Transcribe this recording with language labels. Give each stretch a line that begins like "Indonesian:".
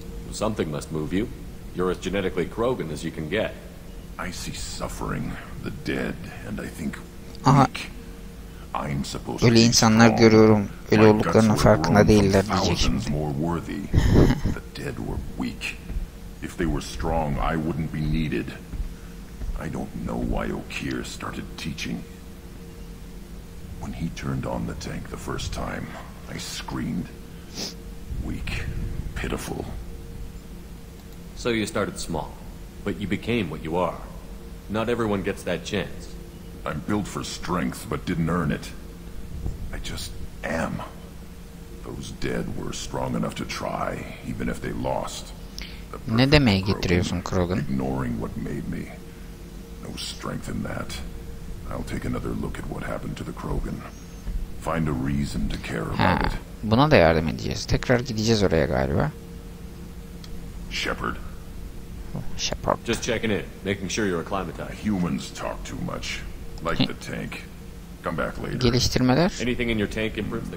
English: Something must move you. You're as genetically Krogan as you can get. I see suffering, the dead, and I think weak. I'm supposed to be strong.
Turkish: Ölü olduklarının farkına değiller diyecek şimdi.
English: The dead were weak. If they were strong, I wouldn't be needed. I don't know why O'Kear started teaching. When he turned on the tank the first time, I screamed. Weak, pitiful. So you started small, but you became what you are. Not everyone gets that chance. I'm built for strength, but didn't earn it. I just am. Those dead were strong enough to try, even if they lost.
Turkish: Ne demeye getiriyorsun Krogan?
English: Ignoring what made me. No strength in that. I'll take another look at what happened to the Krogan. Find a reason to care about it.
Turkish: Buna da yardım edeceğiz. Tekrar gideceğiz oraya galiba.
English: Shepard. Shepard. Just checking in, making sure you're acclimatized. Humans talk too much. Like the tank. Come back later.
Turkish: Geliştirmeler.
English: Anything in your tank improves the